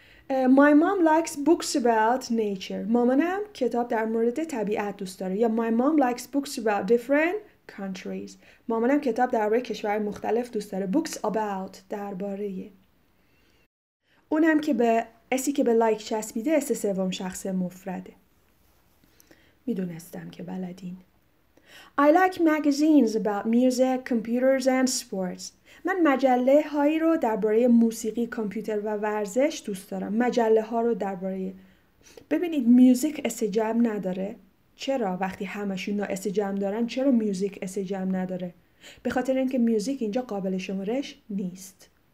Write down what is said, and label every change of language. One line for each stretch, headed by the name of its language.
English: My mom likes books about nature.
Persian: مامانم کتاب در مورد طبیعت دوست داره.
English: یا My mom likes books about different countries.
Persian: مامانم کتاب در مورد کشورهای مختلف دوست داره.
English: Books about درباره.
Persian: اونم که به اسی که به like چسبیده اس سوم شخص مفرده. میدونستم که بلدین.
English: I like magazines about music, computers and sports.
Persian: من مجله هایی رو درباره موسیقی، کامپیوتر و ورزش دوست دارم. مجله ها رو درباره. ببینید میوزیک اس جم نداره. چرا وقتی همشون اس جم دارن چرا میوزیک اس جم نداره؟ به خاطر اینکه میوزیک اینجا قابل شمارش نیست.